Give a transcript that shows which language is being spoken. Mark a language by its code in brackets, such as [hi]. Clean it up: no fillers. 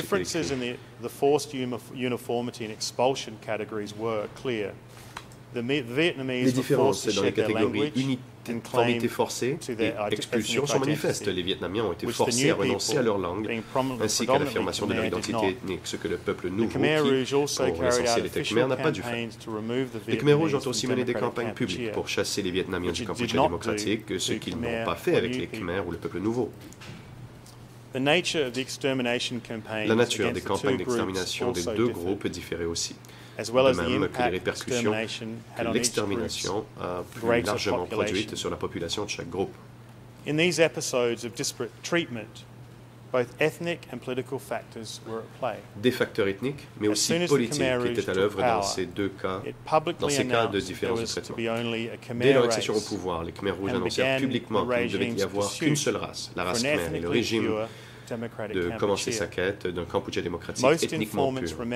[en] differences in the forced uniformity and expulsion categories were clear. The Vietnamese [fr] les différences dans les catégories uniformité forcée et expulsion sont manifestes. Les Vietnamiens ont été forcés à renoncer à leur langue, ainsi qu'à l'affirmation de leur identité ethnique, ce que le peuple nouveau, qui, pour l'essentiel, était Khmer, n'a pas dû faire. Les Khmer Rouges ont aussi mené des campagnes publiques pour chasser les Vietnamiens du Kampuchea démocratique, ce qu'ils n'ont pas fait avec les Khmer ou le peuple nouveau. [en] The nature of the extermination campaigns [fr] la nature des campagnes d'extermination des deux groupes différait aussi, de même que les répercussions que l'extermination a plus largement produite sur la population de chaque groupe. [en] In these episodes of disparate treatment, both ethnic and political factors were at play. [fr] Des facteurs ethniques, mais aussi politiques, étaient à l'œuvre dans ces deux cas, dans ces cas de différence de traitement. Dès leur accession au pouvoir, les Khmer Rouges annoncèrent publiquement qu'il ne devait y avoir qu'une seule race, la race Khmer, et le régime de commencer sa quête d'un Kampuchea démocratique ethniquement pur.